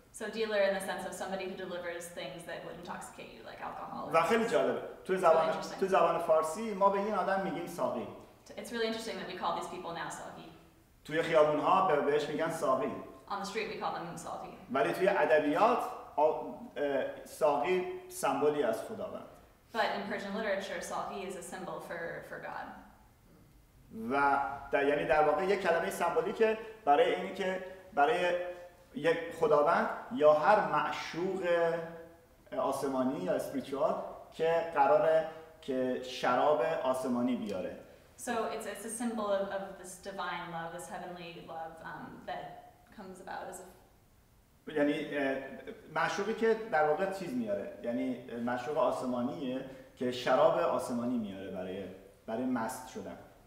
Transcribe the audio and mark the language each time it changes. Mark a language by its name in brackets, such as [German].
[English] So dealer in the sense of somebody who delivers things that would intoxicate you, like alcohol. [Persian] و خیلی جالبه. تو زبان فارسی ما به این آدم میگیم soggy. [English] It's really interesting that we call these people now soggy. [Persian] توی خیابون‌ها بهش میگن soggy. [English] On the street we call them soggy. [Persian] ولی توی ادبیات ساقی سمبولی از خداوند. [English] But in Persian literature ساقی is a symbol for God. [Persian] و یعنی در واقع یک کلمه سمبولی که برای اینی که برای یک خداوند یا هر معشوق آسمانی یا اسپریچوال که قراره که شراب آسمانی بیاره. [English] So it's a symbol of this divine love, this heavenly love that comes about as a [Persian] یعنی معشوقی که در واقع چیز میاره، یعنی معشوق آسمانیه که شراب آسمانی میاره برای مست شدن.